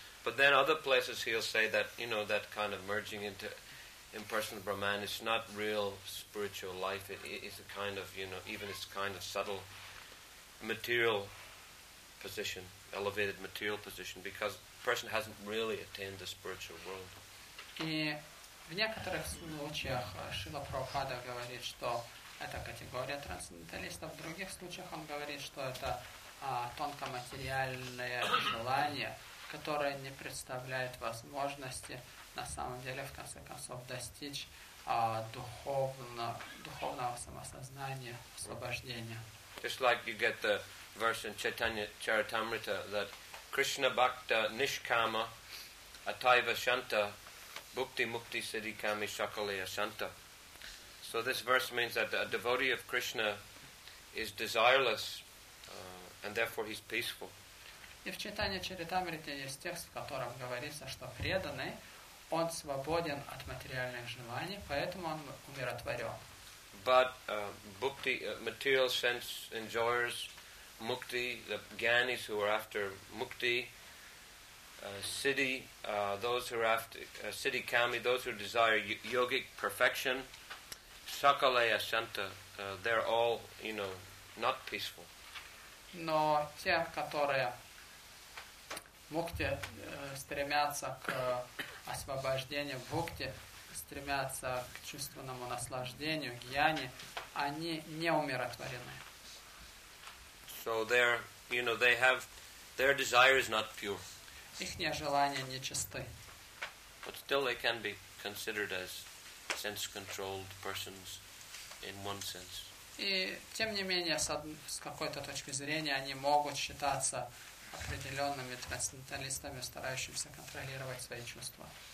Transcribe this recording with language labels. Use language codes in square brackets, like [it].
[en] But then other places he'll say that, that kind of merging into impersonal Brahman is not real spiritual life. It's a kind of, even it's kind of subtle material position, elevated material position, because person hasn't really attained the spiritual world. [ru] И в некоторых случаях Шрила Прабхупада говорит, что это категория трансценденталистов, в других случаях он говорит, что это тонкоматериальное желание, которое не представляет возможности на самом деле в конце концов достичь духовного самосознания, освобождения. [en] Just like you get the verse in Chaitanya Charitamrita that [sa] Krishna Bhakta Nishkama Ataiva Shanta Bhukti Mukti Siddhi Kami Shakalaya Shanta. [en] So this verse means that a devotee of Krishna is desireless and therefore he's peaceful. [ru] И в Чайтанья Чаритамрите есть текст, в котором говорится, что преданный, он свободен от материальных желаний, поэтому он умиротворен. [en] But bhukti, material sense enjoyers, Mukti, the gyanis who are after Mukti, city, those who are after, city kami, those who desire yogic perfection, [sa] sakale asanta, [en] they're all, you know, not peaceful. [ru] Но те, которые мукте стремятся к освобождению, в мукте стремятся к чувственному наслаждению, гьяне, они не умиротворены. [en] So they're, you know, they have, their desire is not pure. [ru] Ихние желания нечисты. [en] But still they can be considered as sense-controlled persons in one sense. [ru] И тем не менее, с какой-то точки зрения, они могут считаться определенными трансценденталистами, старающимися контролировать свои чувства.